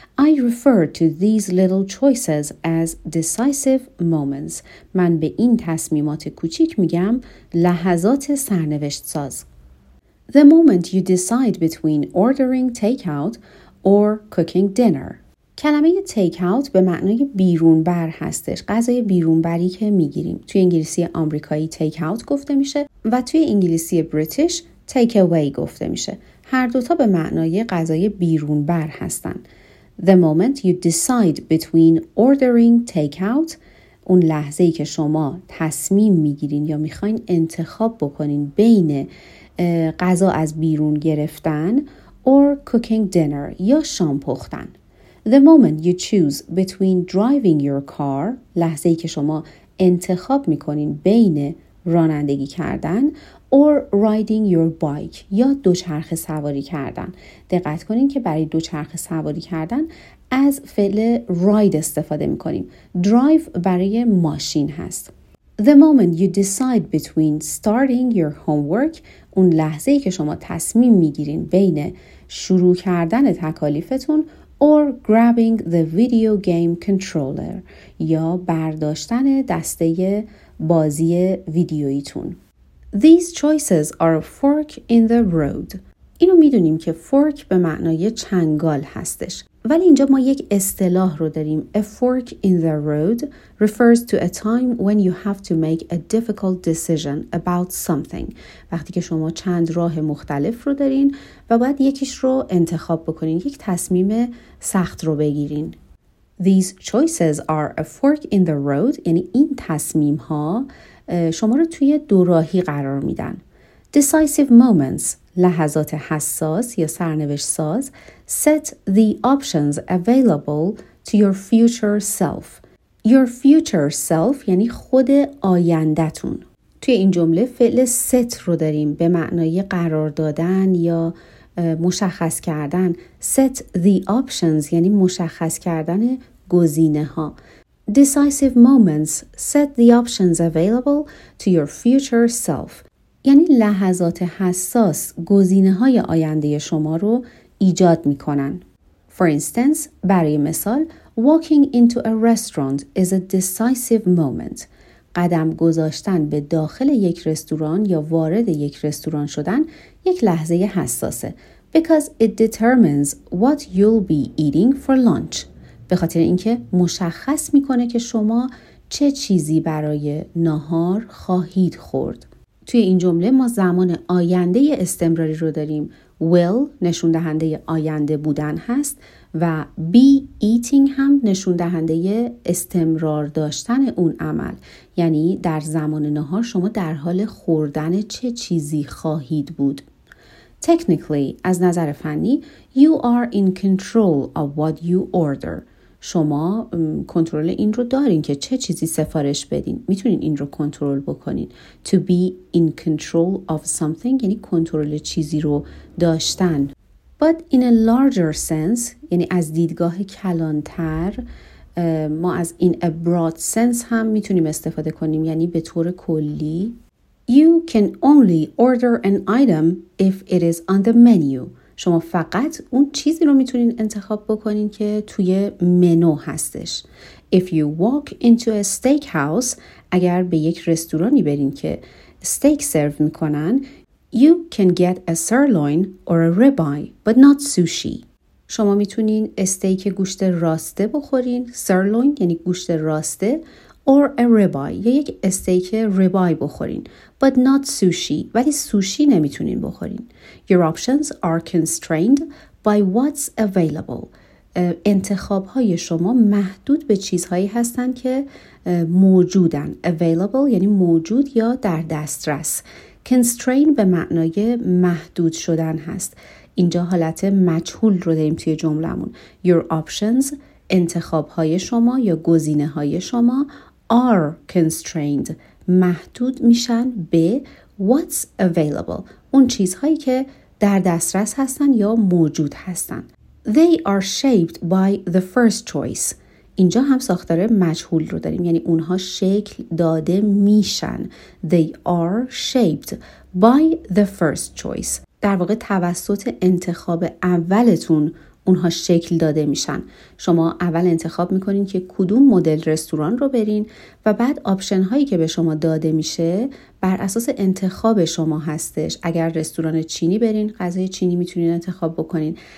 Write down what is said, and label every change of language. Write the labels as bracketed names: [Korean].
[English] I refer to these little choices as decisive moments. [Persian] من به این تصمیمات کوچیک میگم لحظات سرنوشت ساز. [English] The moment you decide between ordering takeout or cooking dinner. [Persian] کلمه takeout به معنای بیرون بر هستش. غذای بیرون بری که میگیریم. توی انگلیسی آمریکایی takeout گفته میشه و توی انگلیسی بریتیش take away گفته میشه. هر دوتا به معنای غذای بیرون بر هستن. [English] The moment you decide between ordering takeout، [Persian] اون لحظه‌ای که شما تصمیم میگیرین یا میخواین انتخاب بکنین بین غذا از بیرون گرفتن [English] or cooking dinner [Persian] یا شام پختن. [English] The moment you choose between driving your car، [Persian] لحظه‌ای که شما انتخاب میکنین بین رانندگی کردن [English] or riding your bike [Persian] یا دوچرخه سواری کردن. دقت کنین که برای دوچرخه سواری کردن از فعل ride استفاده میکنیم. Drive برای ماشین هست. [English] The moment you decide between starting your homework، [Persian] اون لحظه ای که شما تصمیم میگیرین بین شروع کردن تکالیفتون [English] or grabbing the video game controller [Persian] یا برداشتن دسته بازی ویدیویتون. [English] These choices are a fork in the road. [Persian] اینو میدونیم که fork به معنای چنگال هستش. ولی اینجا ما یک اصطلاح رو داریم. [English] A fork in the road refers to a time when you have to make a difficult decision about something. [Persian] وقتی که شما چند راه مختلف رو دارین و باید یکیش رو انتخاب بکنین. یک تصمیم سخت رو بگیرین. [English] These choices are a fork in the road. [Persian] یعنی این تصمیم ها شما رو توی دوراهی قرار میدن. [English] Decisive moments، [Persian] لحظات حساس یا سرنوشت ساز، [English] set the options available to your future self. Your future self [Persian] یعنی خود آیندتون. توی این جمله فعل set رو داریم به معنای قرار دادن یا مشخص کردن، [English] set the options [Persian] یعنی مشخص کردن گزینه ها. [English] Decisive moments, set the options available to your future self. [Persian] یعنی لحظات حساس گزینه های آینده شما رو ایجاد می کنن. [English] For instance, [Persian] برای مثال، [English] walking into a restaurant is a decisive moment. [Persian] قدم گذاشتن به داخل یک رستوران یا وارد یک رستوران شدن یک لحظه حساسه. Because it determines what you'll be eating for lunch. به خاطر اینکه مشخص میکنه که شما چه چیزی برای ناهار خواهید خورد. توی این جمله ما زمان آینده استمراری رو داریم. Will نشون دهنده آینده بودن هست و be eating هم نشون دهنده استمرار داشتن اون عمل. یعنی در زمان ناهار شما در حال خوردن چه چیزی خواهید بود. [English] Technically [Persian] از نظر فنی [English] you are in control of what you order. [Persian] شما کنترل این رو دارین که چه چیزی سفارش بدین. میتونین این رو کنترل بکنین. [English] To be in control of something [Persian] یعنی کنترل چیزی رو داشتن. [English] But in a larger sense [Persian] یعنی از دیدگاه کلانتر ما از [English] in a broad sense [Persian] هم میتونیم استفاده کنیم، یعنی به طور کلی. [English] You can only order an item if it is on the menu. [Persian] شما فقط اون چیزی رو میتونین انتخاب بکنین که توی منو هستش. [English] If you walk into a steakhouse، [Persian] اگر به یک رستورانی برین که steak سرو میکنن، [English] you can get a sirloin or a ribeye but not sushi. [Persian] شما میتونین steak گوشت راسته بخورین، sirloin یعنی گوشت راسته، [English] or a ribeye [Persian] یا یک steak ribeye بخورین، [English] but not sushi، [Persian] ولی سوشی نمیتونین بخورین. [English] Your options are constrained by what's available. [Persian] انتخاب های شما محدود به چیزهایی هستن که موجودن. Available یعنی موجود یا در دسترس. Constrained به معنای محدود شدن هست. اینجا حالت مجهول رو داریم توی جملمون. [English] Your options، [Persian] انتخاب های شما یا گزینه های شما، [English] are constrained، [Persian] محدود میشن به [English] what's available، [Persian] اون چیزهایی که در دسترس هستن یا موجود هستن. [English] They are shaped by the first choice. [Persian] اینجا هم ساختار مجهول رو داریم، یعنی اونها شکل داده میشن. [English] They are shaped by the first choice. [Persian] در واقع توسط انتخاب اولتون اونها شکل داده میشن. شما اول انتخاب میکنین که کدوم مدل رستوران رو برین و بعد آپشن هایی که به شما داده میشه بر اساس انتخاب شما هستش. اگر رستوران چینی برین، غذای چینی میتونین انتخاب بکنین.